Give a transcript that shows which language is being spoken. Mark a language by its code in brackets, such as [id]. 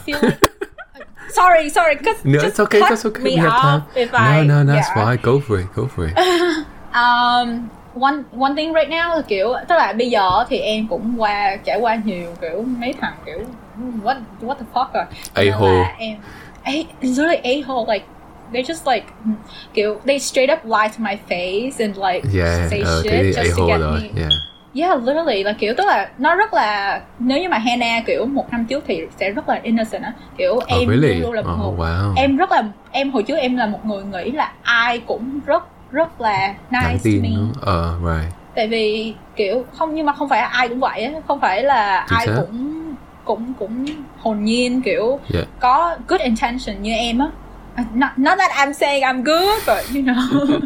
[en] I feel like Sorry, just cut me off if I... No, it's fine, go for it. One thing right now [vi] là kiểu, tức là bây giờ thì em cũng qua, trải qua nhiều kiểu, mấy thằng kiểu, [en] what the fuck [vi] rồi. [en] A-hole. Literally a-hole, like, they just like, [vi] kiểu, [en] they straight up lie to my face and like, say shit just to get [vi] rồi. [en] Me. Yeah, literally, [vi] là kiểu tức là nó rất là, nếu như mà Hannah kiểu một năm trước thì sẽ rất là innocent á. Kiểu em rất là, em hồi trước em là một người nghĩ là ai cũng rất rất là [en] nice to me. [vi] Tại vì kiểu không, nhưng mà không phải ai cũng vậy á, không phải là ai cũng hồn nhiên kiểu có [en] good intention [vi] như em á. [en] Not that I'm saying I'm good, but you know.